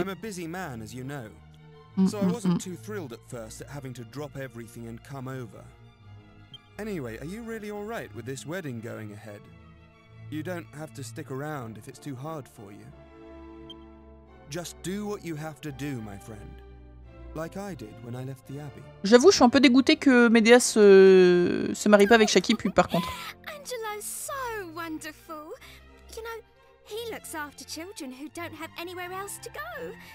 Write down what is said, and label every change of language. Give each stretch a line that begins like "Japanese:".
English: I'm a busy man, as you know. So I wasn't too thrilled at first at having to drop everything and come over. Anyway, are you really all right with this wedding going ahead? You don't have to stick around if it's too hard for you. Just do what you have to do, my friend. Like I did when I left the Abbey.
French: J'avoue, je suis un peu dégoûtée que Medea se marie pas avec Shaki, puis par contre.
English: Angelo's so wonderful. You know, he looks after children who don't have anywhere else to go.